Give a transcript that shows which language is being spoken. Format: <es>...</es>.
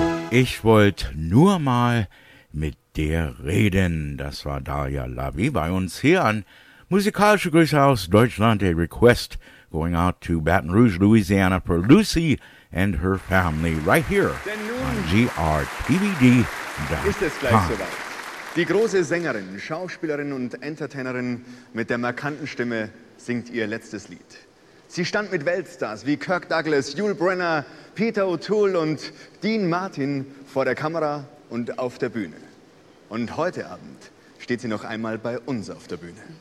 <de>Ich wollte nur mal mit dir reden. Das war Daliah Lavi bei uns hier an Musikalische Grüße aus Deutschland.</de> <en>A request going out to Baton Rouge, Louisiana for Lucy and her family right here on GRTVD.com.</en> <de>Ist es gleich soweit. Die große Sängerin, Schauspielerin und Entertainerin mit der markanten Stimme singt ihr letztes Lied. Sie stand mit Weltstars wie Kirk Douglas, Yul Brynner, Peter O'Toole und Dean Martin vor der Kamera und auf der Bühne. Und heute Abend steht sie noch einmal bei uns auf der Bühne.</de>